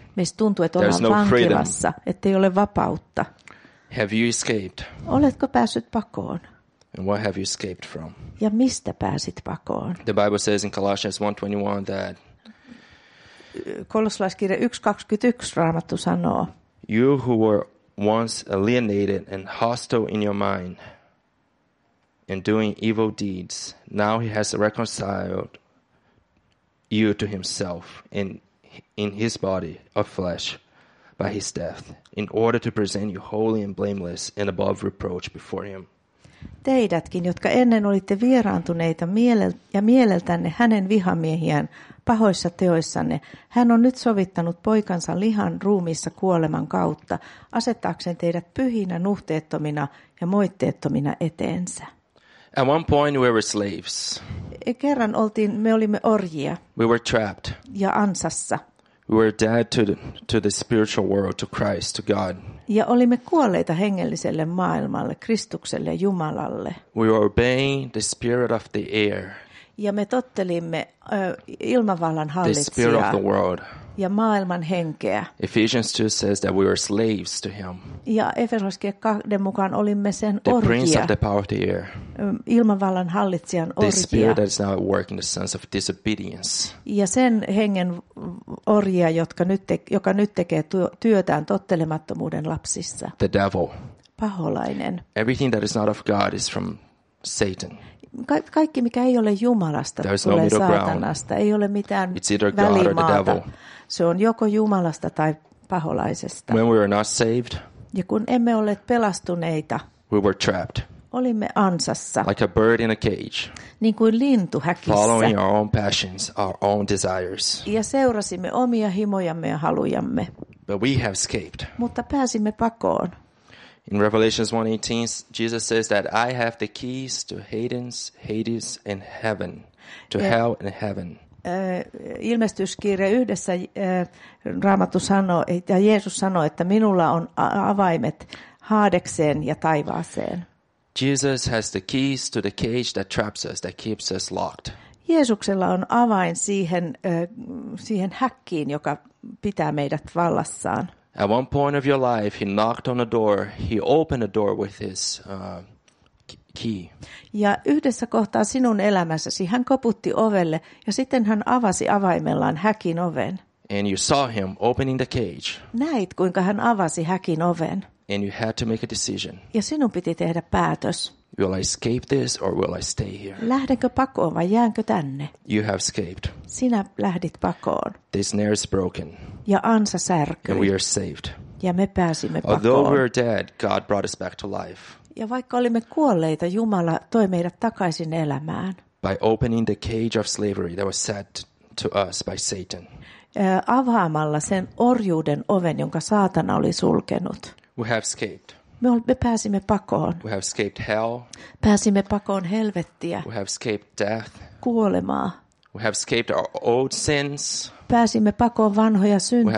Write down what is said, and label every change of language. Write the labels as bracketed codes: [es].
[fi] Meistä tuntuu, että ollaan vankilassa, että ei ole vapautta. [en] Have you escaped? [fi] Oletko päässyt pakoon? [en] And what have you escaped from? [fi] Ja mistä pääsit pakoon? [en] The Bible says in Colossians 1:21 that [fi] Kolossalaiskirja 1:21 Raamattu sanoo. [en] You who were once alienated and hostile in your mind and doing evil deeds, now he has reconciled you to himself in his body of flesh by his death, in order to present you holy and blameless and above reproach before him. [fi] Teidätkin, jotka ennen olitte vieraantuneita ja mieleltänne hänen vihamiehiään pahoissa teoissanne, hän on nyt sovittanut poikansa lihan ruumiissa kuoleman kautta, asettaakseen teidät pyhinä, nuhteettomina ja moitteettomina eteensä. [en] At one point we were slaves. [fi] Kerran oltiin, me olimme orjia. [en] We were trapped. [fi] Ja ansassa. [en] We were dead to the spiritual world, to Christ, to God. [fi] Ja olimme kuolleita hengelliselle maailmalle, Kristukselle, Jumalalle. [en] We were obeying the spirit of the air. [fi] Ja me tottelimme ilmavallan hallitsijaa. [en] The spirit of the world. [fi] Ja maailman henkeä. [en] Ephesians 2 says that we were slaves to him. [fi] Ja Efesolaiskirjeen 2 mukaan olimme sen orjia. [en] The prince of the power of the air. [fi] Ilmavallan hallitsijan orjia. [en] The spirit that is now at work in the sons of disobedience. [fi] Ja sen hengen orjia, joka nyt tekee työtään tottelemattomuuden lapsissa. [en] The devil. [fi] Paholainen. [en] Everything that is not of God is from Satan. [fi] Kaikki, mikä ei ole Jumalasta, tulee saatanasta. Ei ole mitään välimaata. Se on joko Jumalasta tai paholaisesta. [en] When we were not saved, [fi] Ja kun emme olleet pelastuneita. [en] We were trapped. [fi] Olimme ansassa. [en] Like a bird in a cage. [fi] Niin kuin lintu häkissä. [en] Following our own passions, our own desires. [fi] Ja seurasimme omia himojamme ja halujamme. [en] But we have escaped. [fi] Mutta pääsimme pakoon. [en] In Revelation 1:18, Jesus says that I have the keys to Hades and heaven, to hell and heaven. [fi] Ilmestyskirja yhdessä Raamattu sanoo, ja Jeesus sanoo, että minulla on avaimet Haadekseen ja taivaaseen. [en] Jesus has the keys to the cage that traps us, that keeps us locked. [fi] Jeesuksella on avain siihen häkkiin, joka pitää meidät vallassaan. [en] At one point of your life, he knocked on a door, he opened a door with his key. [fi] Ja yhdessä kohtaa sinun elämässäsi hän koputti ovelle ja sitten hän avasi avaimellaan häkin oven. [en] And you saw him opening the cage. [fi] Näit kuinka hän avasi häkin oven. [en] And you had to make a decision. [fi] Ja sinun piti tehdä päätös. [en] Will I escape this or will I stay here? [fi] Lähdenkö pakoon vai jäänkö tänne? [en] You have escaped. [fi] Sinä lähdit pakoon. [en] The snare is broken. [fi] Ja ansa särkyi. [en] And we are saved. [fi] Ja me pääsimme pakoon. [en] Although we are dead, God brought us back to life. [fi] Ja vaikka olimme kuolleita, Jumala toi meidät takaisin elämään. [en] By opening the cage of slavery that was set to us by Satan. [fi] Avaamalla sen orjuuden oven, jonka saatana oli sulkenut. [en] We have escaped. [fi] Me pääsimme pakoon. [en] We have escaped hell. [fi] Pääsimme pakoon helvettiä. [en] We have escaped death. [fi] Kuolemaa. [en] We have escaped our old sins. [fi] Pääsimme pakoon vanhoja syntejä.